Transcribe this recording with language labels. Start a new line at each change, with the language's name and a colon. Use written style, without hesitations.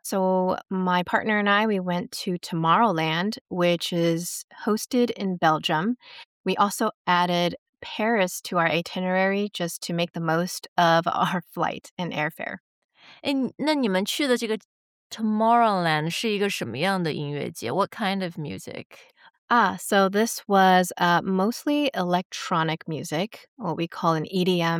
English: So my partner and I, we went to Tomorrowland, which is hosted in Belgium. We also added Paris to our itinerary just to make the most of our flight and airfare.
Chinese: 哎，那你们去的这个 Tomorrowland 是一个什么样的音乐节？
English: What kind of music? Ah, so this was mostly electronic music, what we call an EDM